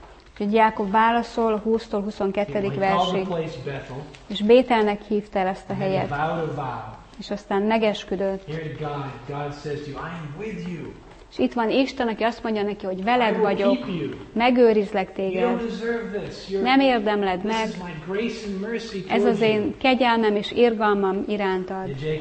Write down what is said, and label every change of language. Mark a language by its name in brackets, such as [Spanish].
[Hungarian] Úgyhogy Jákob válaszol 20-tól 22. versig. És Bételnek hívta el ezt a helyet. És aztán megesküdött. [English] God says to you, I am with you. [Hungarian] És itt van Isten, aki azt mondja neki, hogy veled vagyok, megőrizlek téged, nem érdemled meg, ez az én kegyelmem és irgalmam irántad.